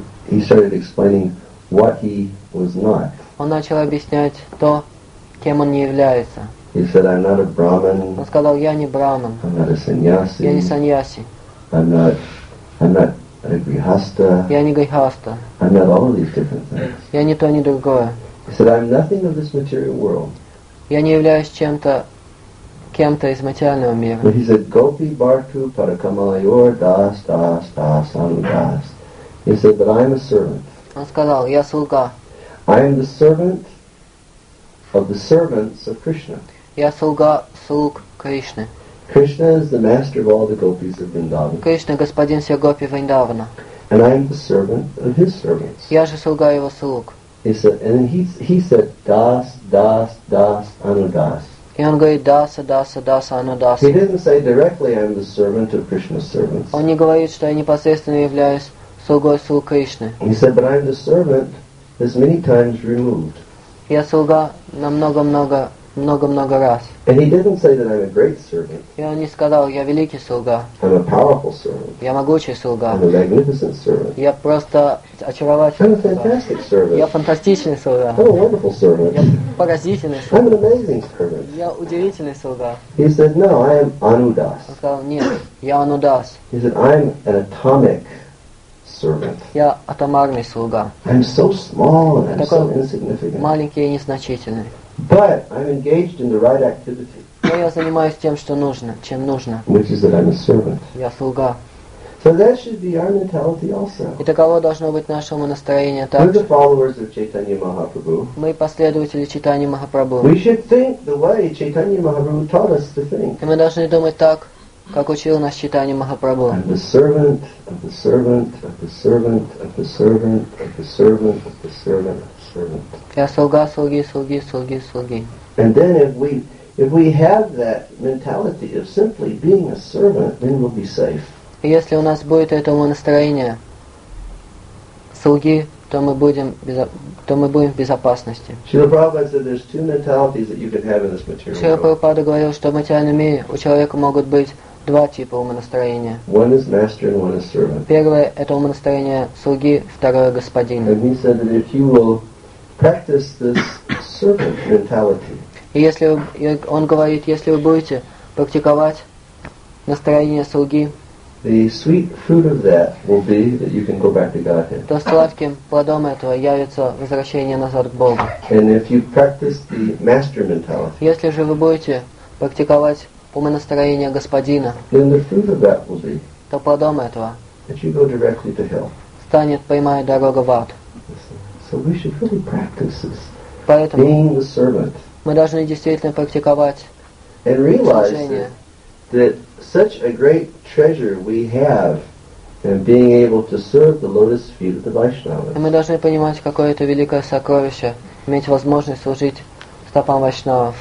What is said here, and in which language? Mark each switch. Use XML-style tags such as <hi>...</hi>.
<en>He started explaining what he was not.</en> <ru>Он начал объяснять то, кем он не является.</ru> <en>He said, "I'm not a Brahmin."</en> <ru>Он сказал, я не Браман.</ru> <en>I'm not a sannyasi.</en> <ru>Я не саньяси.</ru> <en>I'm not a grihastha.</en> <ru>Я не грихаста.</ru> <en>I'm not all of these different things.</en> <ru>Я не то, ни другое.</ru> <en>He said, "I'm nothing of this material world."</en> <ru>Я не являюсь кем-то из материального мира.</ru> <en>But he said,</en> <sa>"Gopi Bhartu Parakamalayor Das Das Das Anugas."</sa> <en>He said, "But I'm a servant."</en> <ru>Он сказал, я слуга.</ru> <en>I am the servant of the servants of Krishna.</en> <ru>Я слуга слуг Кришны.</ru> <en>Krishna is the master of all the gopis of Vrindavan.</en> <ru>Кришна господин всех гопи Вриндавана.</ru> <en>And I am the servant of his servants.</en> <ru>Я же слуга его слуг.</ru> <en>He said, and he said, das, das, das, anudas.</en> <ru>И он говорит, даса, даса, даса, анудаса.</ru> <en>He didn't say directly, I'm the servant of Krishna's servants.</en> <ru>Он не говорит, что я непосредственно являюсь слугой слуг Кришны.</ru> <en>He said, but I'm the servant as many times removed.</en> <ru>Я слуга намного много много много раз.</ru> <en>And he didn't say that I'm a great servant.</en> <ru>И он не сказал, я великий слуга.</ru> <en>I'm a powerful servant.</en> <ru>Я могучий слуга.</ru> <en>I'm a magnificent servant.</en> <ru>Я просто очаровательный слуга.</ru> <en>I'm a fantastic servant.</en> <ru>Я фантастичный слуга.</ru> <en>I'm a wonderful servant.</en> <ru>Я поразительный слуга.</ru> <en>I'm an amazing servant.</en> <ru>Я удивительный слуга.</ru> <en>He said, no, I am Anudas.</en> <ru>Он сказал, нет, я Анудас.</ru> <en>He said, I'm an atomic servant.</en> <ru>Я атомарный слуга.</ru> <en>I'm so small and I'm so insignificant.</en> <ru>Маленький и незначительный.</ru> <en>But I'm engaged in the right activity.</en> <ru>Но я занимаюсь тем, что нужно, чем нужно.</ru> <en>Which is that I'm a servant.</en> <ru>Я слуга.</ru> <en>So that should be our mentality also.</en> <ru>И таково должно быть нашему настроение также.</ru> <en>We're the followers of Chaitanya Mahaprabhu.</en> <ru>Мы последователи Чайтаньи Махапрабху.</ru> <en>We should think the way Chaitanya Mahaprabhu taught us to think.</en> <ru>И мы должны думать так, как учил нас Чайтанья Махапрабху.</ru> <en>I'm the servant of the servant of the servant of the servant of the servant of the servant.</en> <ru>Я слуга, слуги, слуги, слуги, слуги.</ru> <en>And then if we have that mentality of simply being a servant, then we'll be safe.</en> <ru>И если у нас будет это настроение слуги, то мы будем в безопасности.</ru> <en>Srila Prabhupada said there's two mentalities that you can have in this material.</en> <ru>Srila Prabhupada говорил, что в материальном мире у человека могут быть два типа умонастроения.</ru> <en>One is master and one is servant.</en> <ru>Первое это умонастроение слуги, второе господин.</ru> <en>And he said that if you will practice this servant mentality.</en> <ru>И если вы, он говорит, если вы будете практиковать настроение слуги,</ru> <en>the sweet fruit of that will be that you can go back to Godhead.</en> <ru>То сладким плодом этого явится возвращение назад к Богу.</ru> <en>And if you practice the master mentality.</en> <ru>Если же вы будете практиковать умонастроение господина,</ru> <en>then the fruit of that will be,</en> <ru>то плодом этого</ru> <en>that you go directly to hell.</en> <ru>Станет прямая дорога в ад.</ru> <en>So we should really practice this.</en> <ru>Поэтому</ru> <en>being the servant.</en> <ru>Мы должны действительно практиковать</ru> <en>and realize that such a great treasure we have in being able to serve the lotus feet of the Vaishnavas.</en> <ru>И мы должны понимать, какое это великое сокровище, иметь возможность служить стопам вайшнавов.</ru>